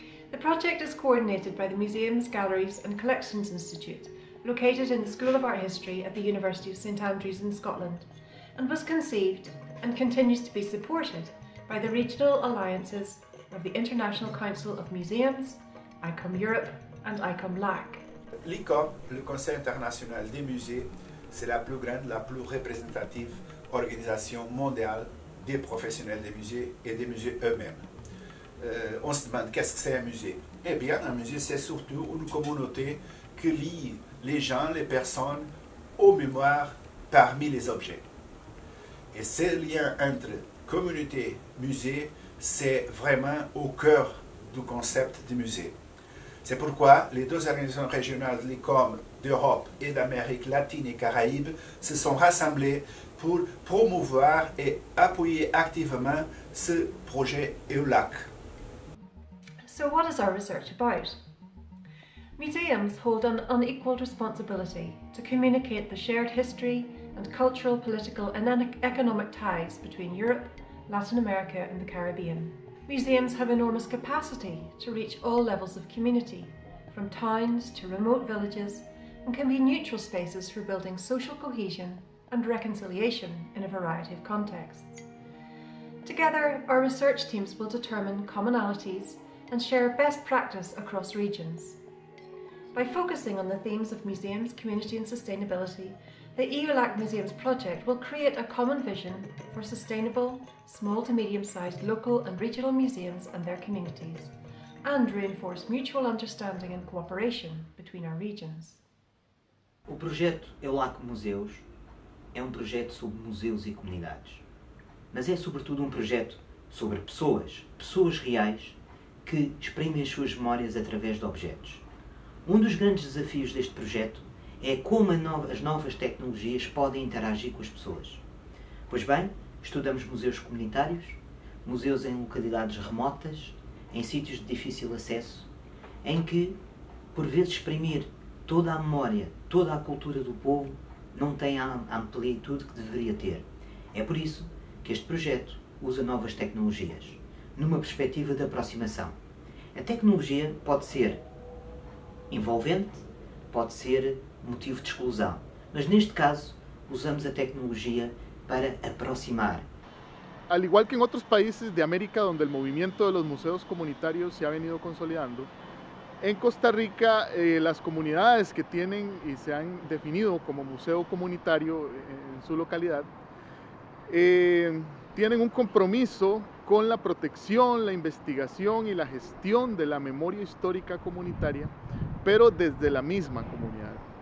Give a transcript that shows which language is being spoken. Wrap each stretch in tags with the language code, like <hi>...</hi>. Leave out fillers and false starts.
<en>The project is coordinated by the Museums, Galleries and Collections Institute, located in the School of Art History at the University of St Andrews in Scotland, and was conceived and continues to be supported by the regional alliances of the International Council of Museums, ICOM Europe and ICOM LAC.</en> <fr>L'ICOM, le Conseil International des Musées, c'est la plus grande, la plus représentative organisation mondiale des professionnels des musées et des musées eux-mêmes. On se demande qu'est-ce que c'est un musée? Eh bien, un musée, c'est surtout une communauté qui lie les gens, les personnes, aux mémoires parmi les objets. Et ce lien entre communauté, musée, c'est vraiment au cœur du concept du musée. C'est pourquoi les deux organisations régionales de l'ICOM d'Europe et d'Amérique latine et Caraïbes se sont rassemblées pour promouvoir et appuyer activement ce projet EU-LAC.</fr> <en>So what is our research about? Museums hold an unequaled responsibility to communicate the shared history and cultural, political and economic ties between Europe, Latin America and the Caribbean. Museums have enormous capacity to reach all levels of community, from towns to remote villages, and can be neutral spaces for building social cohesion and reconciliation in a variety of contexts. Together, our research teams will determine commonalities and share best practice across regions. By focusing on the themes of museums, community and sustainability, the EU-LAC Museums project will create a common vision for sustainable, small to medium-sized local and regional museums and their communities, and reinforce mutual understanding and cooperation between our regions.</en> <pt>O projeto EU-LAC Museus é projeto sobre museus e comunidades. Mas é sobretudo projeto sobre pessoas, pessoas reais, que exprimem as suas memórias através de objetos. Dos grandes desafios deste projeto é como as novas tecnologias podem interagir com as pessoas. Pois bem, estudamos museus comunitários, museus em localidades remotas, em sítios de difícil acesso, em que, por vezes, exprimir toda a memória, toda a cultura do povo não tem a amplitude que deveria ter. É por isso que este projeto usa novas tecnologias, numa perspectiva de aproximação. A tecnologia pode ser envolvente, pode ser motivo de exclusão. Mas neste caso, usamos a tecnologia para aproximar.</pt> <es>Al igual que en otros países de América donde el movimiento de los museos comunitarios se ha venido consolidando, en Costa Rica las comunidades que tienen y se han definido como museo comunitario en su localidad tienen un compromiso con la protección, la investigación y la gestión de la memoria histórica comunitaria, pero desde la misma comunidad.</es>